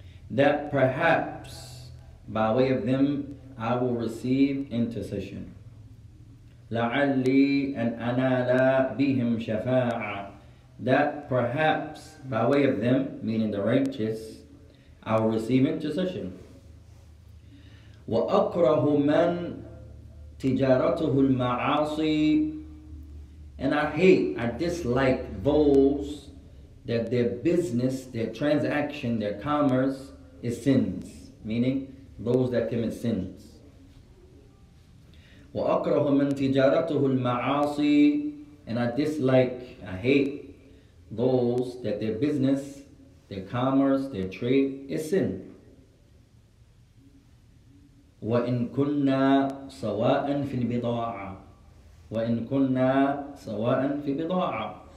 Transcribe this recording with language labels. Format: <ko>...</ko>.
<en>That perhaps by way of them I will receive intercession.</en> <ar>لعلي أن أنال بهم شفاعة.</ar> <en>That perhaps by way of them, meaning the righteous, I will receive intercession.</en> <ar>وأكره من تجارته المعاصي.</ar> <en>And I dislike those that their business, their transaction, their commerce is sins. Meaning, those that commit sins.</en> <ar>وأكره من تجارته المعاصي.</ar> <en>And I hate those that their business, their commerce, their trade is sin.</en> <ar>وَإِن كُنَّا سَوَاءً فِي الْبِضَاعَةً. وَإِن كُنَّا سَوَاءً فِي الْبِضَاعَةً.</ar>